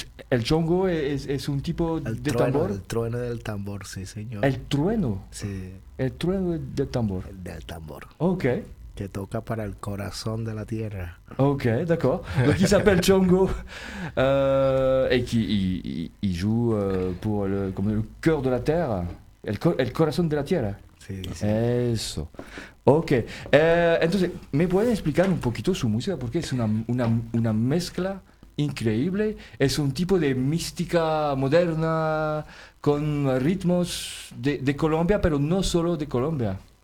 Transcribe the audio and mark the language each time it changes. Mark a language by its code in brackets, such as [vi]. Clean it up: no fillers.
[es] El Chongo es un tipo de tambor. El trueno del tambor, sí, señor. El trueno. Sí. El trueno del tambor. Del tambor. Ok. Que toca para el corazón de la tierra. [fr] Ok, d'accord. Donc, qui s'appelle Chongo et qui y joue pour le cœur de la terre. [es] El corazón de la tierra. Sí, sí. Eso. Ok. Entonces, ¿me pueden explicar un poquito su música? Porque es una mezcla increíble. Es un tipo de mística moderna con ritmos de Colombia, pero no solo de Colombia.